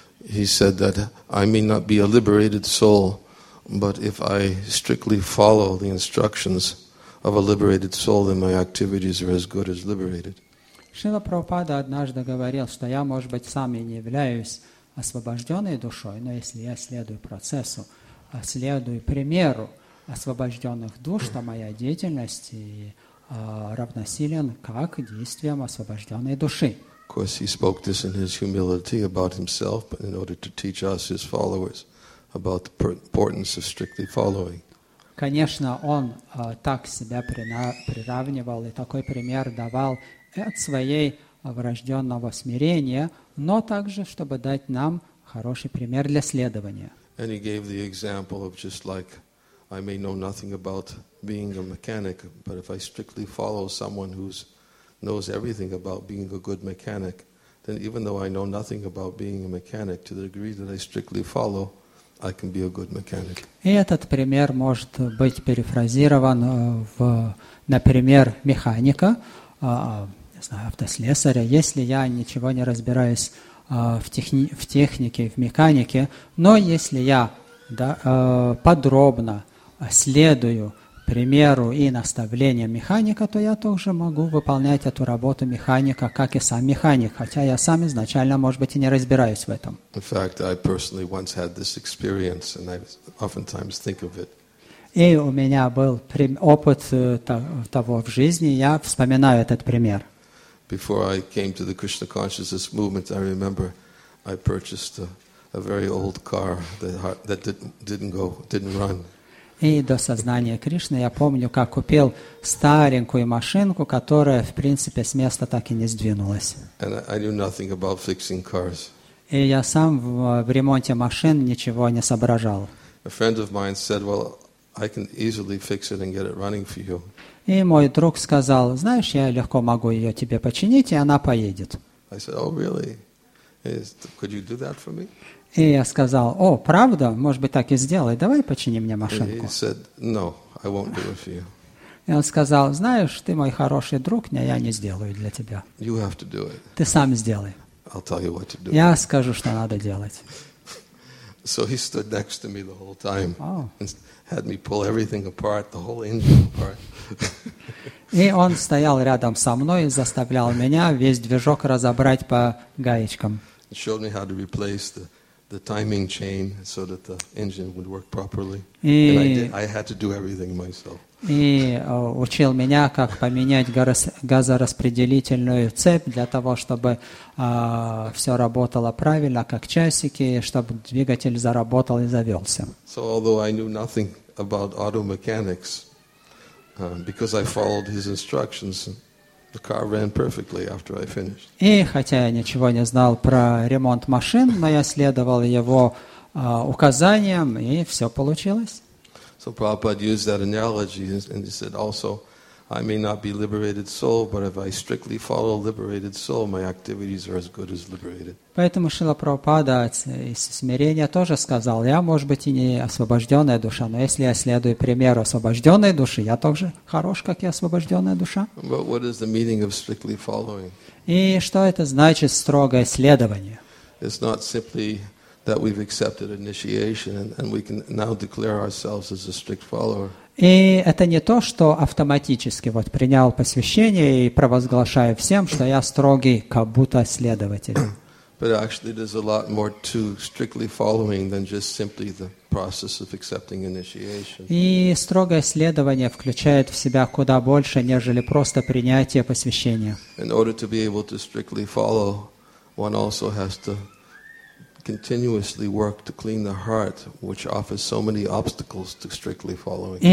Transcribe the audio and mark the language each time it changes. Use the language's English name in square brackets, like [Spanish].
[English] He said that I may not be a liberated soul, but if I strictly follow the instructions of a liberated soul, then my activities are as good as liberated. [Russian] Шрила Прабхупада однажды говорил, что я, может быть, сам и не являюсь освобожденной душой, но если я следую процессу, следую примеру освобожденных душ, то моя деятельность равносилен как действиям освобожденной души. [English] Of course, he spoke this in his humility about himself, but in order to teach us, his followers, about the importance of strictly following. [Russian] Конечно, он так себя приравнивал и такой пример давал от своей врожденного смирения, но также, чтобы дать нам хороший пример для следования. [English] And he gave the example of just like, I may know nothing about being a mechanic, but if I strictly follow someone who knows everything about being a good mechanic, then even though I know nothing about being a mechanic, to the degree that I strictly follow, I can be a good mechanic. [Russian] И этот пример может быть перефразирован в, например, механика, не знаю, автослесаря. Если я ничего не разбираюсь в технике, в механике, но если я подробно следую примеру и наставлениям механика, то я тоже могу выполнять эту работу механика, как и сам механик, хотя я сам изначально, может быть, и не разбираюсь в этом. [English] In fact, I personally once had this experience, and I oftentimes think of it. [Russian] И у меня был опыт того в жизни, я вспоминаю этот пример. [English] Before I came to the Krishna consciousness movement, I remember I purchased a very old car that didn't run. [Russian] И до сознания Кришны я помню, как купил старенькую машинку, которая, в принципе, с места так и не сдвинулась. [English] And I knew nothing about fixing cars. [Russian] И я сам в ремонте машин ничего не соображал. [English] A friend of mine said, well, I can easily fix it and get it running for you. [Russian] И мой друг сказал, знаешь, я легко могу ее тебе починить, и она поедет. [English] I said, oh, really? Could you do that for me? [Russian] И я сказал, о, правда? Может быть, так и сделай. Давай почини мне машинку. [English] He said, no, I won't do it for you. [Russian] И он сказал, знаешь, ты мой хороший друг, я не сделаю для тебя. [English] You have to do it. [Russian] Ты сам сделай. [English] I'll tell you what to do. [Russian] Я скажу, что надо делать. [English] So he stood next to me the whole time. Had me pull everything apart, the whole engine apart. [Russian] И он стоял рядом со мной и заставлял меня весь движок разобрать по гаечкам. [English] He showed me how to replace the timing chain so that the engine would work properly. And I had to do everything myself. [Russian] И учил меня, как поменять газораспределительную цепь для того, чтобы все работало правильно, как часики, чтобы двигатель заработал и завелся. [English] So although I knew nothing about auto mechanics, because I followed his instructions, the car ran perfectly after I finished. [Russian] И хотя я ничего не знал про ремонт машин, но я следовал его указаниям, и все получилось. [English] So Prabhupada used that analogy, and he said, also, I may not be liberated soul, but if I strictly follow liberated soul, my activities are as good as liberated. [Russian] Поэтому Шрила Прабхупада из смирения тоже сказал, я, может быть, и не освобожденная душа, но если я следую примеру освобожденной души, я тоже хорош, как и освобожденная душа. [English] But what is the meaning of strictly following? [Russian] И что это значит строгое следование? [English] It's not simply that we've accepted initiation and we can now declare ourselves as a strict follower. [Russian] И это не то, что автоматически вот принял посвящение и провозглашаю всем, что я строгий, как будто следователь. [English] But actually there's a lot more to strictly following than just simply the process of accepting initiation. [Russian] И строгое следование включает в себя куда больше, нежели просто принятие посвящения. [English] In order to be able to strictly follow, one also has to continuously work to clean the heart, which offers so many obstacles to strictly following.